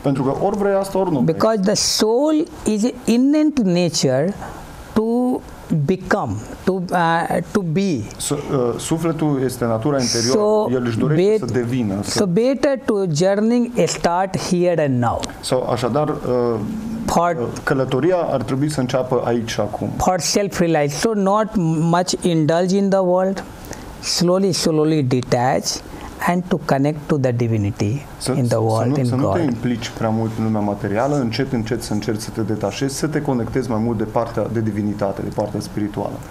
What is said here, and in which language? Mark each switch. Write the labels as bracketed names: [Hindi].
[Romanian] Pentru că ori vrei asta, ori nu. [English] Because the soul is innate nature to become, to be. [Romanian] Sufletul este natura interioară. So, el își dorește să devină. [English] So better to journey start here and now. [Romanian] So, așadar, călătoria ar trebui să înceapă aici acum. [English] For self-realize. So not much indulge in the world. Slowly, slowly detach and to connect to the divinity in the world, in God. [Romanian] Să nu te implici prea mult în lumea materială, încet, încet să încerci să te detașezi, să te conectezi mai mult de partea de divinitate, de partea spirituală.